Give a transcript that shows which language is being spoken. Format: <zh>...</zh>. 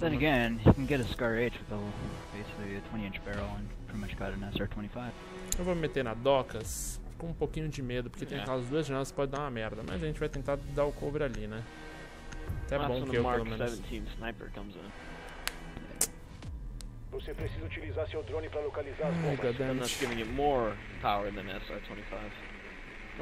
<en>Then again, you can get a Scar H with basically a 20-inch barrel and pretty much got an SR-25.</en> <pt>Eu vou me meter na Docas. Com um pouquinho de medo, porque tem aquelas duas janelas que pode dar uma merda, mas a gente vai tentar dar o cover ali, né? Até bom que eu, pelo menos.</pt> <en>17, sniper comes in.</en> <pt>Você precisa utilizar seu drone para localizar as bombas.</pt> <en>I'm not giving it more power than SR-25.</en>